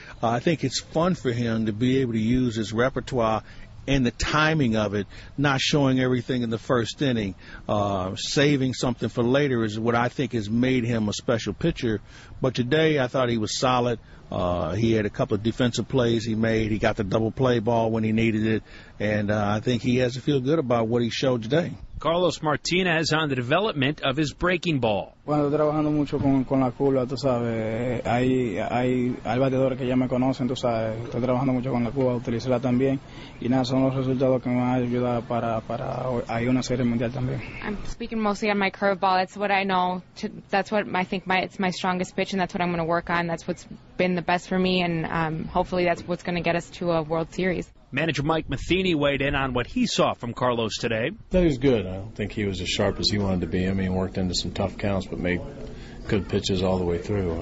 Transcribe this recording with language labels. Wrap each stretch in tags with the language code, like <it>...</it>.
<en>I think it's fun for him to be able to use his repertoire and the timing of it, not showing everything in the first inning, saving something for later, is what I think has made him a special pitcher. But today I thought he was solid. He had a couple of defensive plays he made. He got the double play ball when he needed it. And I think he has to feel good about what he showed today. Carlos Martinez on the development of his breaking ball.</en> <es>Bueno, trabajando mucho con la curva, tú sabes. Hay bateadores que ya me conocen, tú sabes. Estoy trabajando mucho con la curva, utilizarla también. Y nada, son los resultados que me van a ayudar para hay una serie mundial también.</es> <en>I'm speaking mostly on my curveball. That's what I know. That's what I think my, it's my strongest pitch, and that's what I'm going to work on. That's what's been the best for me, and hopefully that's what's going to get us to a World Series. Manager Mike Matheny weighed in on what he saw from Carlos today. That he was good. I don't think he was as sharp as he wanted to be. I mean, worked into some tough counts, but made good pitches all the way through.</en>